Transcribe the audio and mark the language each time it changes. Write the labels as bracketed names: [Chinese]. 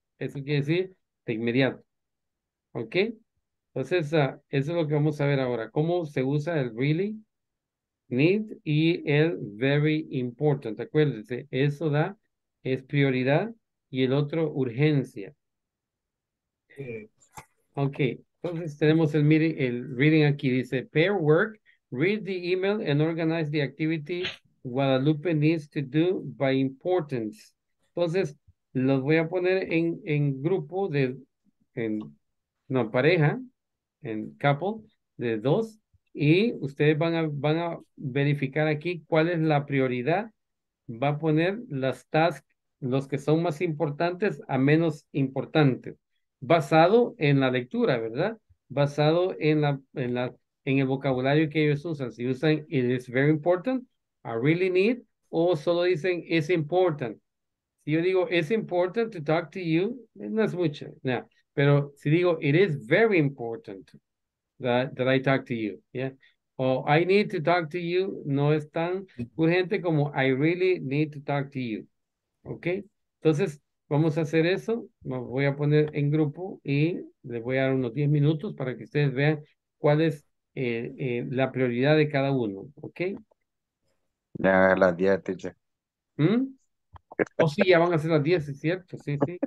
[Spanish] Eso quiere decir de inmediato. Ok. Entonces, eso es lo que vamos a ver ahora. ¿Cómo se usa el really? Need y el very important. Acuérdense, eso da es prioridad y el otro urgencia. Ok, entonces tenemos el reading aquí. Dice, [English] pair work, read the email and organize the activity Guadalupe needs to do by importance. [Spanish] Entonces, los voy a poner en grupo de, en, no, pareja, en couple de dos. Y ustedes van a verificar aquí cuál es la prioridad. Va a poner las tasks, los que son más importantes a menos importantes. Basado en la lectura, ¿verdad? Basado en el vocabulario que ellos usan. Si usan [English] it is very important, I really need, [Spanish] o solo dicen [English] it's important. [Spanish] Si yo digo [English] it's important to talk to you, [Spanish] no es mucho. No. Pero si digo [English] it is very important, that I talk to you, yeah. Or I need to talk to you, [Spanish] no es tan urgente como [English] I really need to talk to you, okay. [Spanish] Entonces, vamos a hacer eso, me voy a poner en grupo y les voy a dar unos 10 minutos para que ustedes vean cuál es la prioridad de cada uno, okay. Ya a las 10, teacher. Oh, sí, ya van a ser las 10, es cierto, sí.